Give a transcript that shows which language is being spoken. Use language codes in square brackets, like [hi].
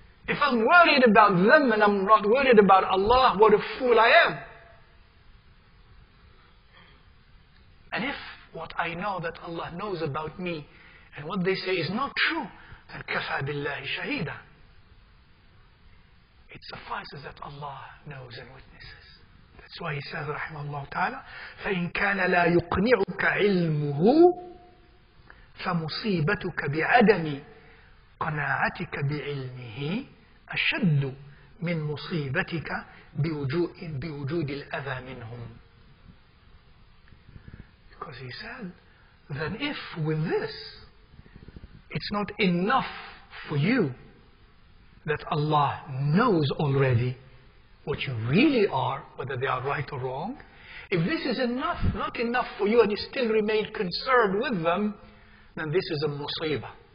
[en] If I'm worried about them and I'm not worried about Allah, what a fool I am. And if what I know that Allah knows about me and what they say is not true, then kafa billahi shahida. It suffices that Allah knows and witnesses. That's why he says, rahimahullah ta'ala, [ar] فَإِنْ كَانَ لَا يُقْنِعُكَ عِلْمُهُ فَمُصِيبَتُكَ بِعَدَمِ قَنَاعَتِكَ بِعِلْمِهِ أَشَدُّ مِنْ مُصِيبَتِكَ بِوْجُودِ الْأَذَى مِنْهُمْ. [en] Because he said, then if with this, it's not enough for you that Allah knows already what you really are, whether they are right or wrong, if this is enough, not enough for you, and you still remain concerned with them, then this is a musibah.